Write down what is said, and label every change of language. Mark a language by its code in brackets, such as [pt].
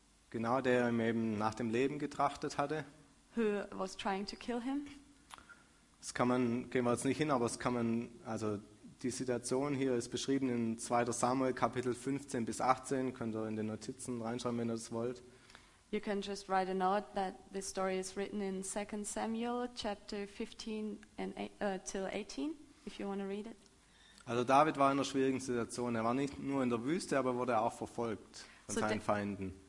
[de] Genau, der ihm eben nach dem Leben getrachtet hatte. [en] Who was trying to kill him. [de] Das kann man, gehen wir jetzt nicht hin, aber es kann man, also die Situation hier ist beschrieben in 2. Samuel Kapitel 15 bis 18. Könnt ihr in den Notizen reinschreiben, wenn ihr das wollt. [en] You can just write a note that this story is written in 2 Samuel chapter 15 and till 18, if you want to read it. [de] Also David war in einer schwierigen Situation. Er war nicht nur in der Wüste, aber wurde auch verfolgt von seinen Feinden.